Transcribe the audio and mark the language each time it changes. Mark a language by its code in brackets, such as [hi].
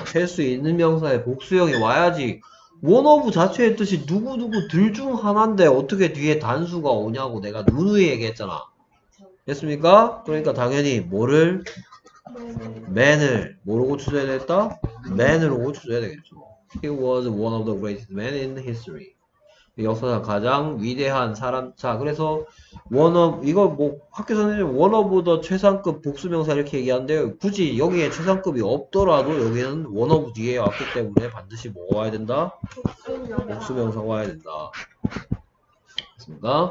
[ko] 셀수 있는 명사에 복수형이 와야지. 원오브 자체의 뜻이 누구누구들 중 하나인데 어떻게 뒤에 단수가 오냐고 내가 누누이 얘기했잖아. 됐습니까? 그러니까 당연히 뭐를? 맨을 뭐로 고쳐줘야 됐다? 맨으로 고쳐줘야 되겠죠. [en] He was one of the greatest men in history. [ko] 역사상 가장 위대한 사람. 자 그래서 one of 이거 뭐 학교 선생님 one of the 최상급 복수명사 이렇게 얘기하는데 굳이 여기에 최상급이 없더라도 여기는 one of 뒤에 왔기 때문에 반드시 뭐가 와야 된다? 복수명사가 와야 된다. 맞습니까?